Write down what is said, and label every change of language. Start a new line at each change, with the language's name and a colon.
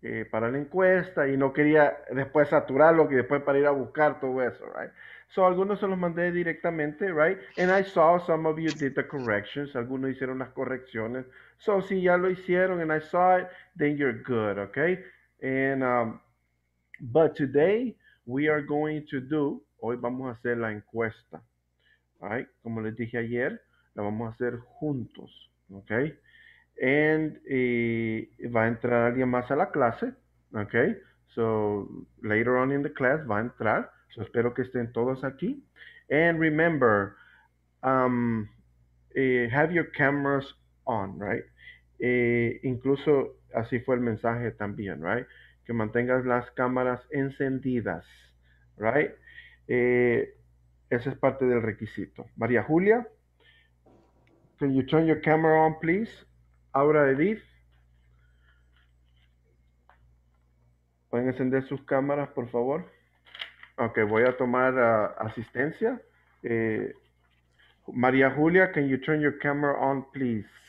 Spanish: Para la encuesta y no quería después saturarlo que después para ir a buscar todo eso, right? So, algunos se los mandé directamente, right?
English: And I saw some of you did the corrections.
Spanish: Algunos hicieron las correcciones.
English: So,
Spanish: si ya lo hicieron
English: and I saw it, then you're good, okay? And, but today we are going to do,
Spanish: hoy vamos a hacer la encuesta,
English: right?
Spanish: Como les dije ayer, la vamos a hacer juntos, okay? And va a entrar alguien más a la clase, okay?
English: So later on in the class
Spanish: va a entrar. So espero que estén todos aquí.
English: And remember, have your cameras on, right?
Spanish: Incluso así fue el mensaje también, right? Que mantengas las cámaras encendidas, right? Esa es parte del requisito.
English: María Julia, can you turn your camera on, please?
Spanish: Ahora Edith, pueden encender sus cámaras, por favor. Ok, voy a tomar asistencia.
English: María Julia, can you turn your camera on, please?